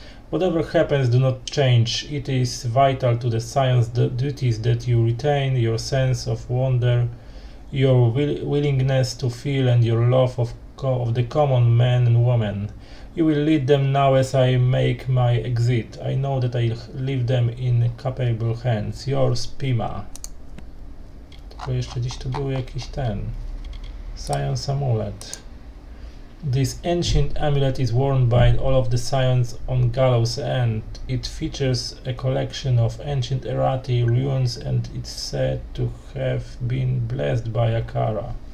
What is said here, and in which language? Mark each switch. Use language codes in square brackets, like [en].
[en] Whatever happens, do not change. It is vital to the scion's duties that you retain your sense of wonder, your willingness to feel, and your love of the common man and woman. You will lead them now as I make my exit. I know that I leave them in capable hands. Yours, Pima. [pl] Tylko jeszcze gdzieś tu był jakiś ten. [en] Science amulet. This ancient amulet is worn by all of the science on Gallows End. It features a collection of ancient Erati ruins and it's said to have been blessed by Akara.